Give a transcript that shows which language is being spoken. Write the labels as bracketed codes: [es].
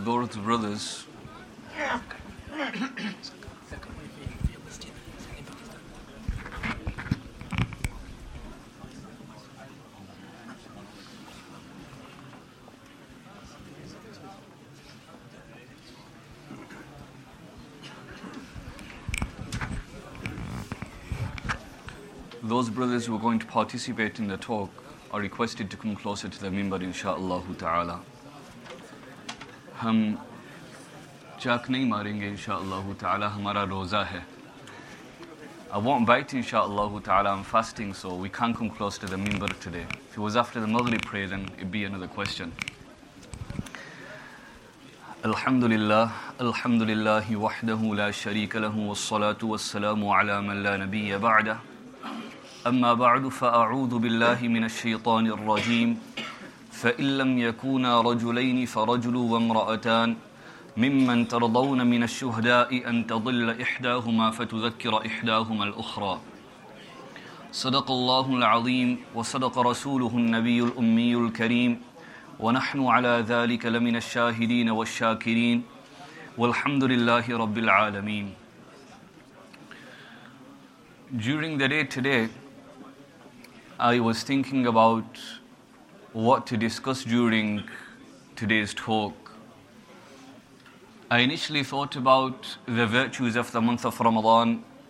[en] To brothers, those brothers who are going to participate in the talk are requested to come closer to the minbar, insha'Allah ta'ala. [ur] چاک نہیں ماریں گے انشاءاللہ تعالی ہمارا روزہ ہے. [en] I won't bite inshaAllah ta'ala, I'm fasting, so we can't come close to the minbar today. If it was after the Maghrib prayer, then it'd be another question. [ar] Alhamdulillah, alhamdulillahi wahdahu la sharika lahu wassalatu wassalamu ala man la nabiyya ba'da. Amma ba'du fa'a'udhu billahi minash shaytanir rajim. فإن لم يكونا رجلين فرجل وامرأتان ممن ترضون من الشهداء أن تضل إحداهما فتذكر إحداهما الأخرى. صدق الله العظيم وصدق رسوله النبي الأمي الكريم ونحن على ذلك لمن الشاهدين والشاكرين والحمد لله رب العالمين. [en] During the day today, I was thinking about what to discuss during today's talk. I initially thought about the virtues of the month of Ramadan.